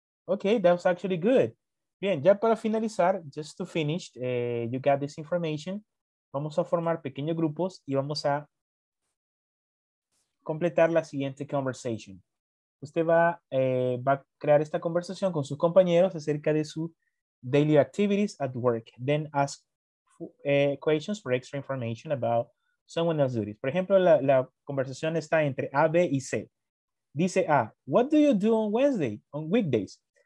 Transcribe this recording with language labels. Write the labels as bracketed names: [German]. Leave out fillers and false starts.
[English] Okay, that was actually good. [Spanish] Bien, ya para finalizar, [English] just to finish, you got this information. [Spanish] Vamos a formar pequeños grupos y vamos a completar la siguiente conversation. Usted va a crear esta conversación con sus compañeros acerca de su [English] daily activities at work. Then ask questions for extra information about someone else's duties. [Spanish] Por ejemplo, la conversación está entre A, B y C. [English] Dice A, what do you do on Wednesday, on weekdays?